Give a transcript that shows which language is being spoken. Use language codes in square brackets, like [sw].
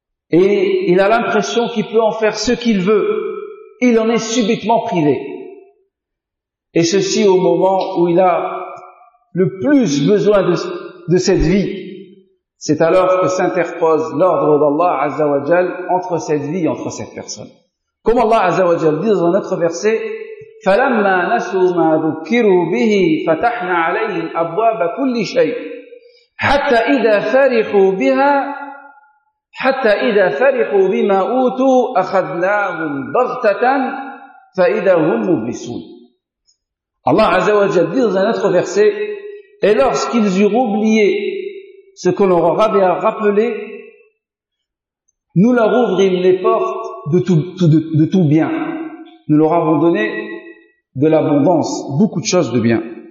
[fr] Et il a l'impression qu'il peut en faire ce qu'il veut. Il en est subitement privé. Et ceci au moment où il a le plus besoin de cette vie. C'est alors que s'interpose l'ordre d'Allah Azza wa Jal entre cette vie et entre cette personne. Comme Allah Azza wa Jal dit dans un autre verset, [ar] فَلَمَّا نَسُوا مَا ذُكِّرُوا بِهِ فَتَحْنَا عَلَيْهِمْ أَبْوَابَ كُلِّ شَيْءٍ حَتَّى إِذَا فَرِحُوا بِهَا حَتَّى إِذَا فَرِحُوا بِمَا أُوتُوا أَخَذْنَاهُمْ بَغْتَةً فَإِذَا هُمْ مُبْلِسُونَ. [fr] Allah Azza wa Jal dit dans un autre verset, et lorsqu'ils eurent oublié ce que l'on leur avait rappelé, nous leur ouvrîmes les portes de tout bien. Nous leur avons donné de l'abondance, beaucoup de choses de bien.